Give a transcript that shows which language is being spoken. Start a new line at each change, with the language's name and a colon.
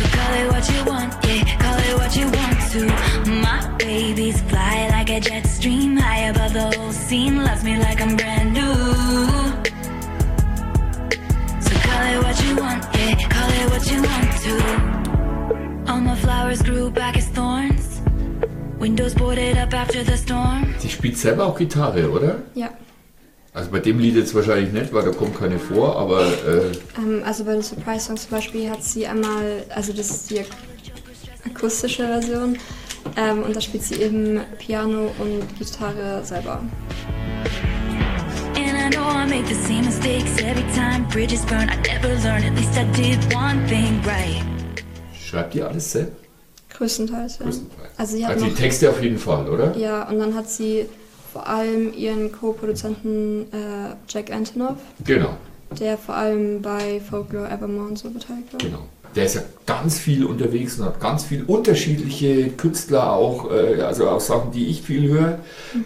English: Call it what you want, yeah, call it what you want to. My babies fly like a jet stream, high above the whole scene, loves me like I'm brand new. So call it what you want, yeah, call it what you want to. All my flowers grew back as thorns, windows boarded up after the storm.
German: Sie spielt selber auch Gitarre, oder? Ja. Also bei dem Lied jetzt wahrscheinlich nicht, weil da kommt keine vor, aber... Also bei den Surprise-Songs zum Beispiel hat sie einmal, also das ist die akustische Version, und da spielt sie eben Piano und Gitarre selber.
English: And I know I make the same mistakes every time bridges burn. I never learn, at least I did one thing right.
German: Schreibt ihr alles selbst? Größtenteils, ja. Größtenteils. Also sie hat noch, die Texte auf jeden Fall, oder? Ja, und dann hat sie... vor allem ihren Co-Produzenten Jack Antonoff. Genau. Der vor allem bei Folklore Evermore so beteiligt war. Genau. Der ist ja ganz viel unterwegs und hat ganz viele unterschiedliche Künstler auch, also auch Sachen, die ich viel höre. Mhm.